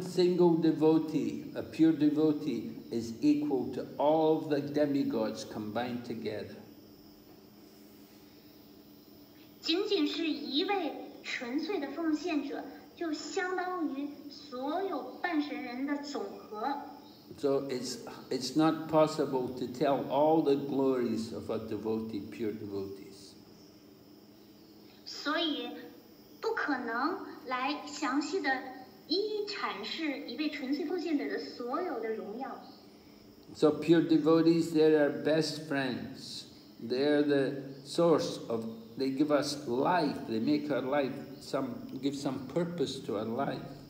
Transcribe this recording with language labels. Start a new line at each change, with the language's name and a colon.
English: single devotee, a pure devotee, is equal to all the demigods combined together.
Chinese: 仅仅是一位纯粹的奉献者，就相当于所有半神人的总和。
English: So it's not possible to tell all the glories of a devotee, pure devotees.
Chinese: 所以不可能来详细的一一阐释一位纯粹奉献者的所有的荣耀。So
English: pure devotees, they are best friends. They are the source of, they give us life, they make our life, give some purpose to our life.